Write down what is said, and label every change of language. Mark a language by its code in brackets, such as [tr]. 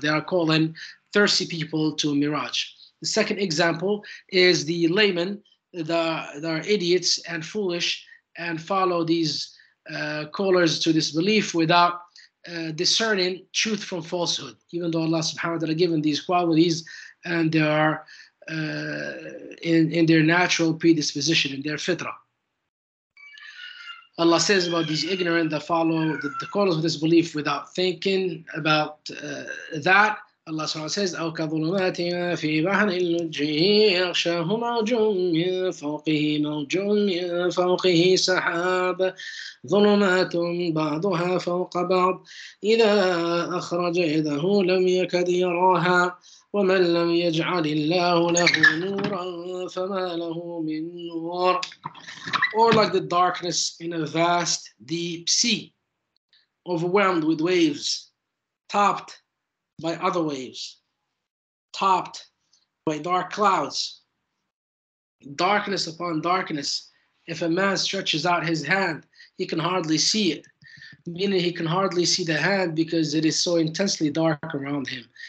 [en] They are calling thirsty people to a mirage. The second example is the laymen that are idiots and foolish and follow these callers to this belief without discerning truth from falsehood, even though Allah subhanahu wa ta'ala given these qualities and they are in their natural predisposition, in their fitrah. Allah says about these ignorant that follow the callers of this belief without thinking about that. Allah subhanahu wa ta'ala says, [ar] أَوْ كَظُلُمَاتٍ فِي بَحْرٍ لُجِّيٍّ يَغْشَاهُ مَوْجٌ مِّن فَوْقِهِ مَوْجٌ مِّن فَوْقِهِ سَحَابٌ ظُلُمَاتٌ بَعْضُهَا فَوْقَ بَعْضٍ إِذَا أَخْرَجَ يَدَهُ لَمْ يَكَدْ يَرَاهَا وَمَن لَّمْ يَجْعَلِ اللَّهُ لَهُ نُورًا فَمَا لَهُ مِن نُّورٍ. [en] Or like the darkness in a vast deep sea, overwhelmed with waves, topped by other waves, topped by dark clouds, darkness upon darkness. If a man stretches out his hand, he can hardly see it, meaning he can hardly see the hand because it is so intensely dark around him.